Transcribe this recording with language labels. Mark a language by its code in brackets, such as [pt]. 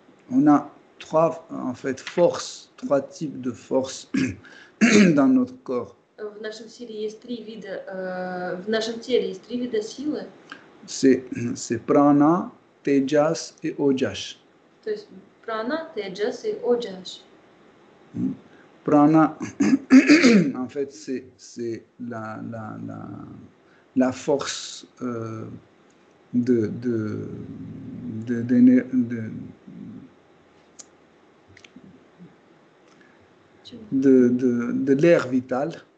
[fr] On a trois, en fait, forces, trois types de forces dans notre corps. [ru] В нашем теле есть три вида, в нашем теле есть три вида силы. [fr] C'est prana, Tejas et Ojas. [ru] То есть prana, Tejas et Ojas. [fr] Prana, en fait, c'est la force de l'air vital.